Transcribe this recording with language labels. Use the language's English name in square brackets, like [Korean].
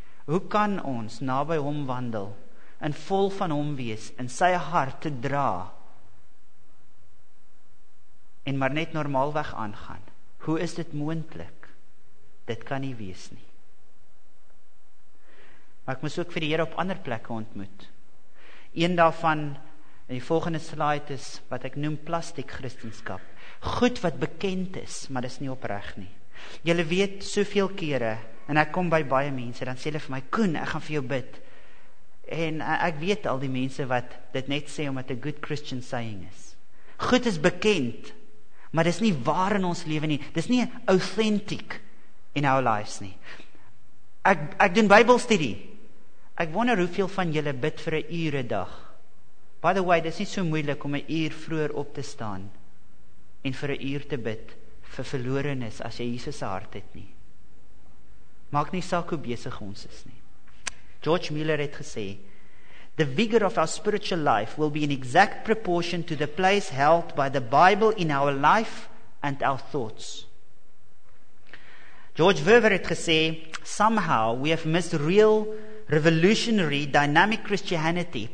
[Afrikaans] Hoe kan ons naby hom wandel en vol van hom wees en sy hart te dra en maar net normaalweg aangaan? Hoe is dit moontlik? Dit kan nie wees nie. Maar ek moes ook vir die Here op ander plekke ontmoet. Een daarvan, in die volgende slide is, wat ek noem plastiek Christenskap. Goed wat bekend is, maar dis nie opreg nie. Julle weet soveel kere, en ek kom by baie mense, dan sê hulle vir my, Koen, ek gaan vir jou bid. En ek weet al die mense wat dit net sê, omdat 'n [English] good Christian saying [Afrikaans] is. Goed is bekend, maar dis nie waar in ons lewe nie. Dis nie [English] authentic in our lives [Afrikaans] nie. Ek doen Bybelstudie. Ek wonder hoeveel van julle bid vir 'n uur 'n dag. [English] By the way, [Afrikaans] dit is nie so moeilik om 'n uur vroeër op te staan en vir 'n uur te bid vir verlorenes as jy Jesus se hart het nie. Maak nie saak hoe besig ons is nie. George Miller het gesê, [English] "The vigor of our spiritual life will be in exact proportion to the place held by the Bible in our life and our thoughts." [Afrikaans] George Verver het gesê, [English] "Somehow we have missed real revolutionary, dynamic Christianity.